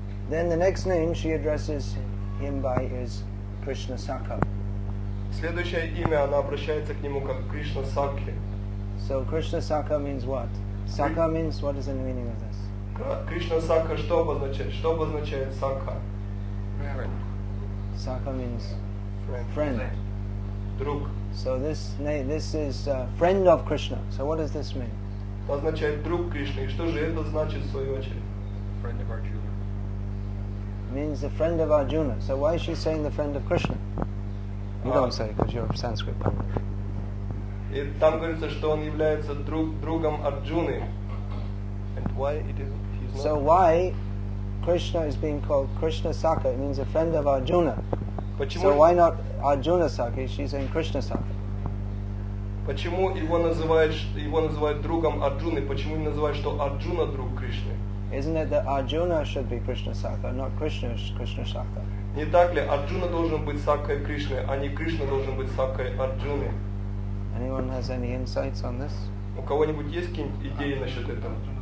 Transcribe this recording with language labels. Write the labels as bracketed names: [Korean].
[English] Then the next name she addresses him by is Krishna Sakha. [Russian] Следующее имя она обращается к нему как Кришна Сакхи. [English] So Krishna Sakha means what? Sakha means what is the meaning of this? [Russian] Krishna Sakha, что обозначает? Что обозначает Сакха? [English] Sakha means friend. [Russian] Друг. [English] So this is friend of Krishna. So what does this mean? [Russian] Это означает друг Кришны. И что же это значит в свою очередь? [English] Friend of Arjuna. Means the friend of Arjuna. So why is she saying the friend of Krishna? You don't say, because you're a Sanskrit pandit. [Russian] И там говорится, что он является другом Арджуны. [English] And why it is, he's not. So why Krishna is being called Krishna Sakha? It means a friend of Arjuna. [Russian] Почему? [English] So why not Arjuna Sakha? She's saying Krishna Sakha. [Russian] Почему его называют другом Арджуны? Почему не называют, что Арджуна друг Кришны? [English] Isn't it that Arjuna should be Krishna Sakha, not Krishna Krishna Sakha? [Russian] Не так ли? Арджуна должен быть Сакхой Кришны, а не Кришна должен быть Сакхой Арджуны. [English] Anyone has any insights on this? [Russian] У кого-нибудь есть какие-нибудь идеи насчет этого?